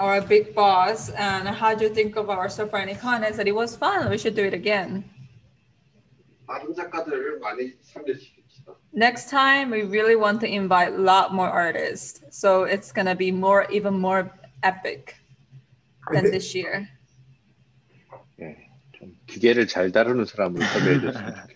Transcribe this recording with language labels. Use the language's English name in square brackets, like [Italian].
[English] our big boss, and how do you think of our Super Anicon? I said it was fun. We should do it again. [Korean] 많은 작가들을 많이 참여시킵시다. [English] Next time, we really want to invite a lot more artists. So it's going to be more, even more epic [Korean] 근데, [English] than this year. [Korean] 기계를 잘 다루는 사람을 참여해 주세요.